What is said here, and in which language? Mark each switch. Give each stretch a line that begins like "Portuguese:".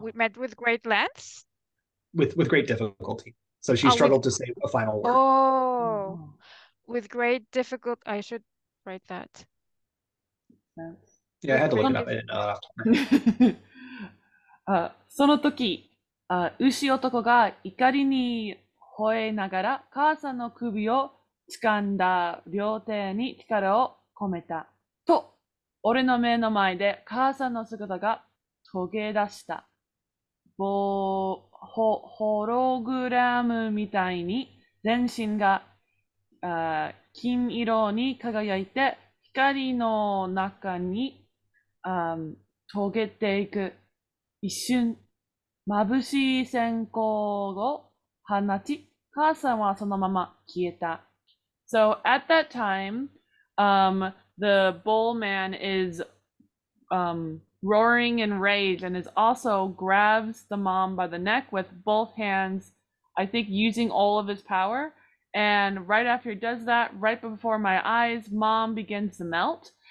English: We met with great lengths? With great difficulty. So she struggled to say a final word. Oh. With great difficulty. I should write that. Yeah, with I had to look it up. I didn't know that off the top.
Japanese: Sono toki. 牛男が怒りに吠えながら母さんの首を掴んだ両手に力を込めた。と、俺の目の前で母さんの姿が途切れ出した。ホログラムみたいに全身が金色に輝いて光の中に溶けていく。一瞬。眩しい閃光を放ち、母さんはそのまま消えた。
English: So at that time, the bull man is roaring in rage and is also grabs the mom by the neck with both hands, I think using all of his power. And right after he does that, right before my eyes, mom begins to melt.